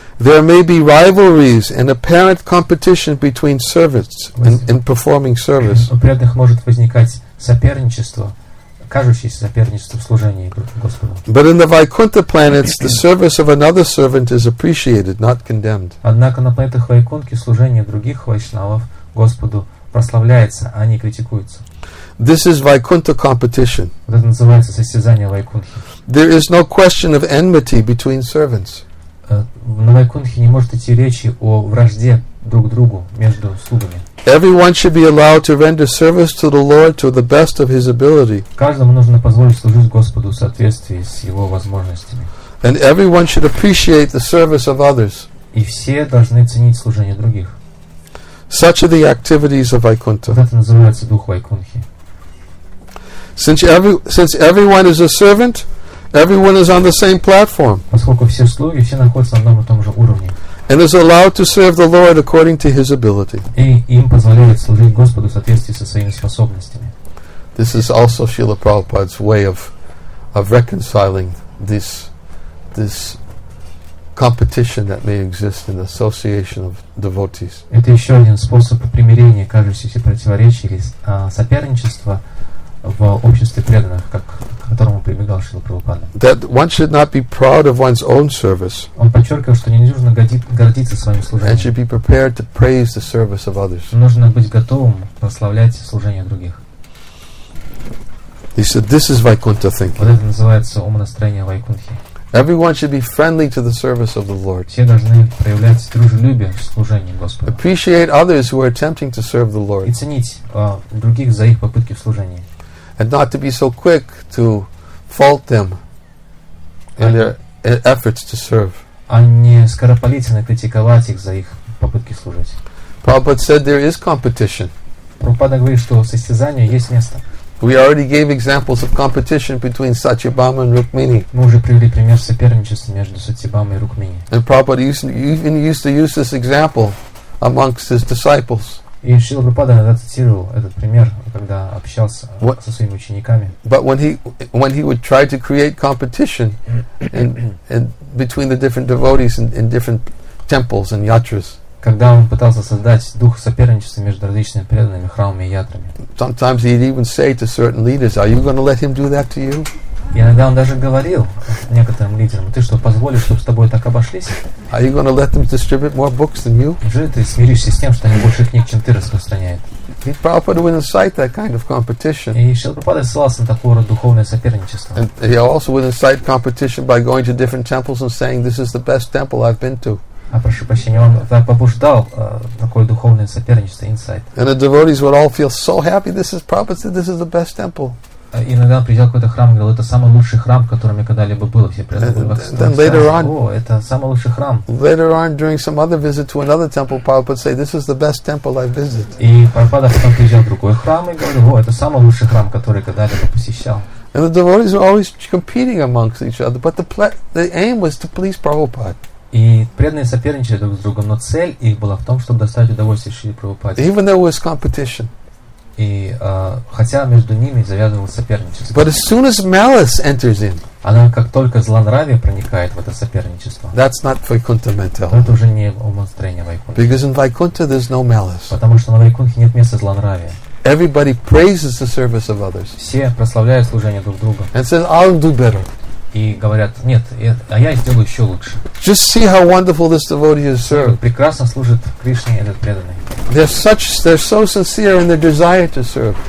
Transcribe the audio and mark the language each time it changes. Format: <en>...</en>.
<en>There may be rivalries and apparent competition between servants in performing service.</en> <ru>У преданных может возникать соперничество, кажущееся соперничество в служении Господу.</ru> <en>But in the Vaikuntha planets, the service of another servant is appreciated, not condemned.</en> <ru>Однако на планетах Вайкунтхи служение других вайшнавов Господу прославляется, а не критикуется.</ru> <en>This is Vaikuntha competition.</en> <ru>Это называется состязание Вайкунтхи.</ru> <en>There is no question of enmity between servants.</en> <ru>На Вайкунтхе не может идти речи о вражде друг другу между слугами.</ru> <en>Everyone should be allowed to render service to the Lord to the best of his ability.</en> <ru>Каждому нужно позволить служить Господу в соответствии с его возможностями.</ru> <en>And everyone should appreciate the service of others.</en> <ru>И все должны ценить служение других.</ru> <en>Such are the activities of Vaikuntha.</en> <ru>Это называется дух Вайкунтхи.</ru> <en>Since everyone is a servant, everyone is on the same platform.</en> <ru>Поскольку все слуги, все находятся на одном и том же уровне.</ru> <en>And is allowed to serve the Lord according to his ability.</en> <ru>И им позволяют служить Господу в соответствии со своими способностями.</ru> <en>This is also Srila Prabhupada's way of reconciling this competition that may exist in the association of devotees.</en> <ru>Это еще один способ примирения кажущихся противоречий или соперничества в обществе преданных, как к которому прибегал Шрила Прабхупада.</ru> <en>That one should not be proud of one's own service.</en> <ru>Он подчеркивал, что не нужно гордиться своим служением.</ru> <en>And should be prepared to praise the service of others.</en> <ru>Нужно быть готовым прославлять служение других.</ru> <en>He said, "This is Vaikuntha thinking."</en> <ru>Вот это называется умонастроение Вайкунтхи.</ru> <en>Everyone should be friendly to the service of the Lord.</en> <ru>Все должны проявлять дружелюбие в служении Господу.</ru> <en>Appreciate others who are attempting to serve the Lord.</en> <ru>И ценить других за их попытки в служении.</ru> <en>And not to be so quick to fault them in their efforts to serve.</en> <ru>А не скоропалительно критиковать их за их попытки служить.</ru> <en>Prabhupada said there is competition.</en> <ru>Прабхупада говорит, что состязание есть место.</ru> <en>We already gave examples of competition between Satyabhama and Rukmini.</en> <ru>Мы уже привели пример соперничества между Сатьябамой и Рукмини.</ru> <en>And Prabhupada even used to use this example amongst his disciples.</en> <ru>И Шрила Прабхупада иногда цитировал этот пример, когда общался со своими учениками.</ru> <en>But when he would try to create competition and between the different devotees in different temples and yatras.</en> <ru>Когда он пытался создать дух соперничества между различными преданными храмами и ятрами.</ru> <en>Sometimes he'd even say to certain leaders, "Are you going to let him do that to you?"</en> <ru>И иногда он даже говорил некоторым лидерам, ты что, позволишь, чтобы с тобой так обошлись?</ru> <en>Are you going to let them distribute more books than you?</en> <ru>Уже ты смиришься с тем, что они больше книг, чем ты, распространяют?</ru> <en>He probably wouldn't cite that kind of competition.</en> <ru>И Шрила Прабхупада ссылался на такое вот духовное соперничество.</ru> <en>And he also wouldn't cite competition by going to different temples and saying, this is the best temple I've been to.</en> <ru>А прошу прощения, он так побуждал такое духовное соперничество, инсайт.</ru> <en>And the devotees would all feel so happy, this is Prabhupada, this is the best temple.</en> <ru>И иногда он приезжал в какой-то храм и говорил, это самый лучший храм, который мне когда-либо был. Все приезжали в Вакстан. О, это самый лучший храм.</ru> <en>Later on, during some other visit to another temple, Prabhupada would say, this is the best temple I've visited.</en> <ru>И Прабхупада потом приезжал в другой храм и говорил, о, это самый лучший храм, который когда-либо посещал.</ru> <en>And the devotees were always competing amongst each other, but the aim was to please Prabhupada.</en> <ru>И преданные соперничали друг с другом, но цель их была в том, чтобы доставить удовольствие Шри Прабхупаде.</ru> <en>Even though it was competition.</en> <ru>И хотя между ними завязывалось соперничество.</ru> <en>But as soon as malice enters in,</en> <ru>она как только злонравие проникает в это соперничество.</ru> <en>That's not Vaikuntha mental.</en> <ru>Это уже не умонастроение Вайкунта.</ru> <en>Because in Vaikuntha there's no malice.</en> <ru>Потому что на Вайкунте нет места злонравия.</ru> <en>Everybody praises the service of others.</en> <ru>Все прославляют служение друг друга.</ru> <en>And says, I'll do better.</en> <ru>И говорят, нет, а я сделаю еще лучше.</ru> <en>Just see how wonderful this devotee has served.</en> <ru>Прекрасно служит Кришне этот преданный.</ru> <en>They're so sincere in their desire to serve.</en>